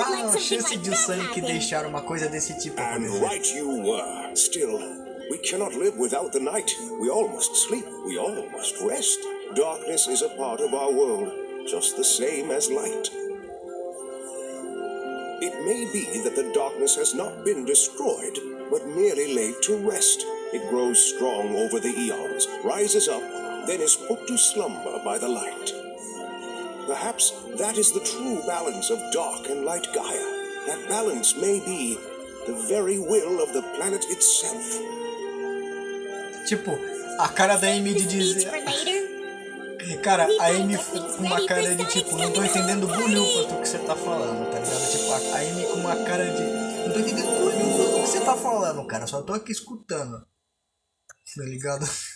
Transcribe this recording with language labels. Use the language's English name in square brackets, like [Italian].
[Portuguese] há chance de o Sonic deixar uma coisa desse tipo acontecer. [English] And right you were. Still, we cannot live without the night. We all must sleep. We all must rest. Darkness is a part of our world, just the same as light. It may be that the darkness has not been destroyed, but merely laid to rest. It grows strong over the eons, rises up, then is put to slumber by the light. Perhaps that is the true balance of dark and light, Gaia. That balance may be the very will of the planet itself. [Portuguese] Tipo, a cara da Amy de dizer... Cara, a Amy com uma cara de tipo, não tô entendendo bolhufas do que você tá falando, tá ligado? Tipo, a Amy com uma cara de... Não tô entendendo bolhufas do que você tá falando, cara. Só tô aqui escutando. Tá ligado?